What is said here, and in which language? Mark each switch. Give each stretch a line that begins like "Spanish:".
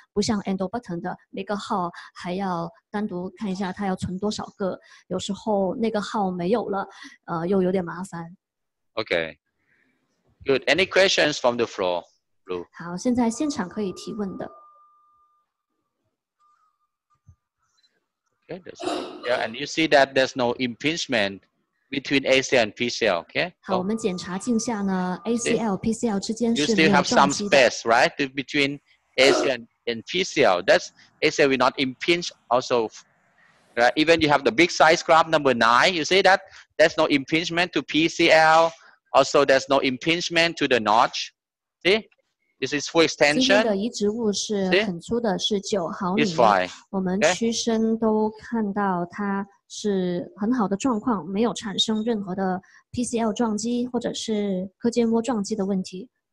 Chinese: 不像 endo button 的每个号还要单独看一下它要存多少个，有时候那个号没有了，又有点麻烦。
English: Okay, good. Any questions from the floor, Blue?
Chinese: 好，现在现场可以提问的。
English: Okay, yeah, and you see that there's no impingement. Between ACL and PCL, okay? 好，我们检查镜下呢 ，ACL、PCL 之间是没有撞击的。 You still have some space, right? Between ACL and PCL, that's ACL will not impinge. Also, right? Even you have the big size graph number 9, you see that there's no impingement to PCL. Also, there's no impingement to the notch. See, this is full extension.
Chinese: 今天的移植物是很粗的，是九毫米。
English: It's fine.
Chinese: 我们屈伸都看到它。是很好的状况，没有产生任何的 PCL 撞击或者是髁间窝撞击的问题。